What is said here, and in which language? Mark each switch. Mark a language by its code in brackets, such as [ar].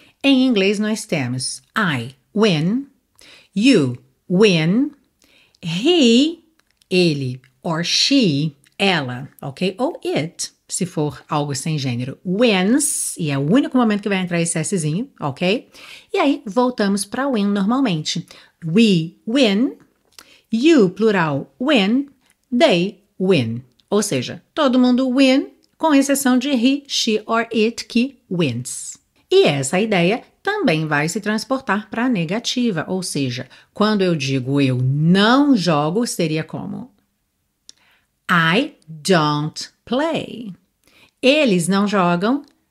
[pt] Em inglês nós temos [en] I win, you win, [pt] he, ele, or she, ela, ok? Ou it, se for algo sem gênero, wins, e é o único momento que vai entrar esse Szinho, ok? E aí voltamos para win normalmente. [en] We win, you, plural, win, they win. [pt] Ou seja, todo mundo win, com exceção de he, she, or it, que wins. E essa ideia também vai se transportar para a negativa. Ou seja, quando eu digo eu não jogo, seria como? [en] I don't play. [pt] Eles não jogam.